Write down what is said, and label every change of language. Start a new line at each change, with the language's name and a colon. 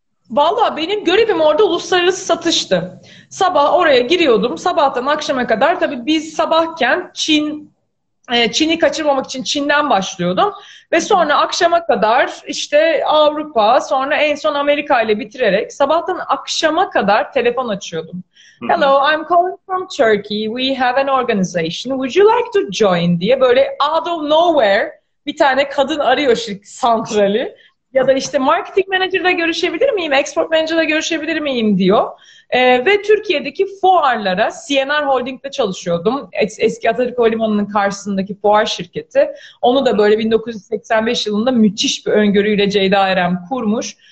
Turkish: Valla benim görevim orada uluslararası satıştı. Sabah oraya giriyordum. Sabahtan akşama kadar, tabii biz sabahken Çin'i kaçırmamak için Çin'den başlıyordum. Ve sonra akşama kadar işte Avrupa, sonra en son Amerika ile bitirerek sabahtan akşama kadar telefon açıyordum.
English: Hello, I'm calling from Turkey. We have an organization. Would you like to join?
Turkish: Diye böyle
English: out of nowhere
Turkish: bir tane kadın arıyor santrali. Ya da işte marketing manager'la görüşebilir miyim, export manager'la görüşebilir miyim diyor. Ve Türkiye'deki fuarlara, CNR Holding'de çalışıyordum. Eski Atatürk Havalimanı'nın karşısındaki fuar şirketi. Onu da böyle 1985 yılında müthiş bir öngörüyle Ceyda Erem kurmuş.